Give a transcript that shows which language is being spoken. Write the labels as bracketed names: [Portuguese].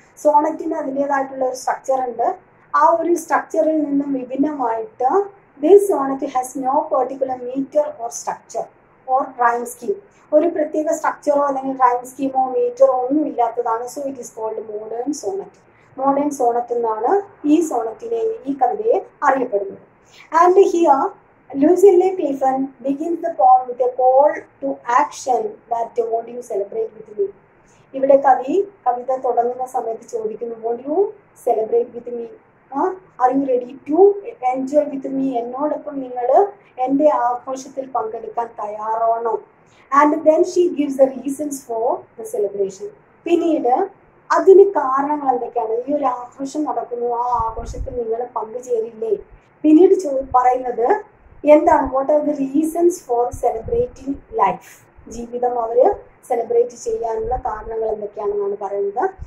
[Malayalam] സോണറ്റിന് അതിൻ്റേതായിട്ടുള്ള ഒരു സ്ട്രക്ചർ ഉണ്ട്. ആ ഒരു സ്ട്രക്ചറിൽ നിന്നും വിഭിന്നമായിട്ട് [English] This sonnet has no particular metre or structure or rhyme scheme. [Malayalam] ഒരു പ്രത്യേക സ്ട്രക്ചറോ അല്ലെങ്കിൽ റൈം സ്കീമോ മീറ്ററോ ഒന്നും ഇല്ലാത്തതാണ്. [English] So it is called modern sonnet. [Malayalam] Modern Sonet എന്നാണ് ഈ സോണറ്റിനെ, ഈ കവിതയെ അറിയപ്പെടുന്നത്. [English] And here Lucille Cliffon begins the poem with a call to action that won't you celebrate with me. [Malayalam] ഇവിടെ കവി കവിത തുടങ്ങുന്ന സമയത്ത് ചോദിക്കുന്നു, [English] won't you celebrate with me? Are you ready to enjoy with me? [Malayalam] എന്നോടൊപ്പം നിങ്ങൾ എൻ്റെ ആഘോഷത്തിൽ പങ്കെടുക്കാൻ തയ്യാറാണോ? [English] And then she gives the reasons for the celebration. [Malayalam] പിന്നീട് അതിന് കാരണങ്ങൾ എന്തൊക്കെയാണ്, ഈ ഒരു ആഘോഷം നടക്കുന്നു, ആ ആഘോഷത്തിൽ നിങ്ങൾ പങ്കുചേരില്ലേ? പിന്നീട് പറയുന്നത് എന്താണ്, [English] what are the reasons for celebrating life, [Malayalam] ജീവിതം അവർ സെലിബ്രേറ്റ് ചെയ്യാനുള്ള കാരണങ്ങൾ എന്തൊക്കെയാണെന്നാണ് പറയുന്നത്.